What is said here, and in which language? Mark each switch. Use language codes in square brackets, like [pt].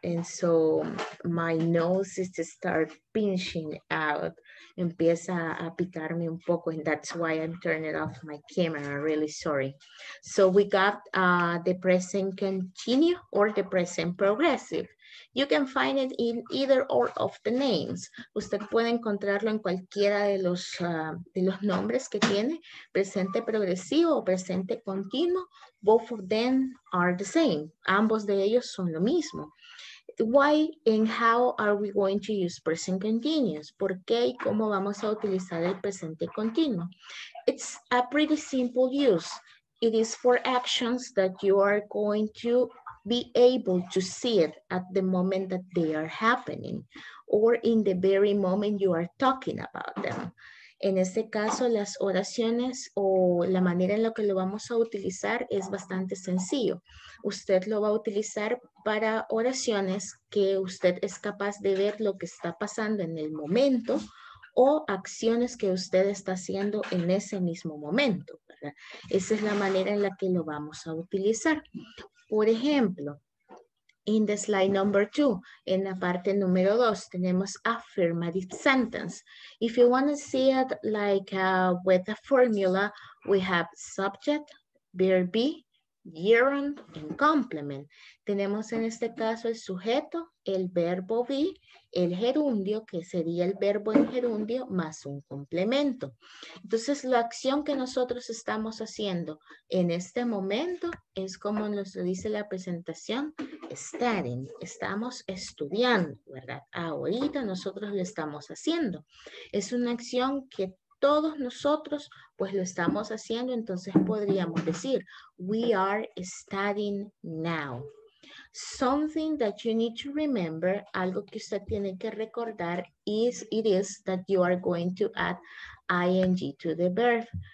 [en] And so my nose is to start pinching out. [es] Empieza a picarme un poco, [en] and that's why I'm turning off my camera. Really sorry. So we got the present continue or the present progressive. You can find it in either or of the names. [es] Usted puede encontrarlo en cualquiera de los nombres que tiene, presente progresivo o presente continuo. [en] Both of them are the same. [es] Ambos de ellos son lo mismo. [en] Why and how are we going to use present continuous? [es] ¿Por qué y cómo vamos a utilizar el presente continuo? [en] It's a pretty simple use. It is for actions that you are going to be able to see it at the moment that they are happening or in the very moment you are talking about them. [es] En este caso, las oraciones o la manera en la que lo vamos a utilizar es bastante sencillo. Usted lo va a utilizar para oraciones que usted es capaz de ver lo que está pasando en el momento o acciones que usted está haciendo en ese mismo momento, ¿verdad? Esa es la manera en la que lo vamos a utilizar. Por ejemplo, [en] in the slide number two, [es] en la parte número dos, tenemos affirmative sentence. [en] If you want to see it like with a formula, we have subject, verb be, gerund, and complement. [es] Tenemos en este caso el sujeto, el verbo be, el gerundio, que sería el verbo en gerundio, más un complemento. Entonces, la acción que nosotros estamos haciendo en este momento es como nos dice la presentación, studying. Estamos estudiando, ¿verdad? Ahorita nosotros lo estamos haciendo. Es una acción que todos nosotros pues lo estamos haciendo, entonces podríamos decir, [en] we are studying now. Something that you need to remember, [es] algo que usted tiene que recordar, [en] it is that you are going to add ing to the verb.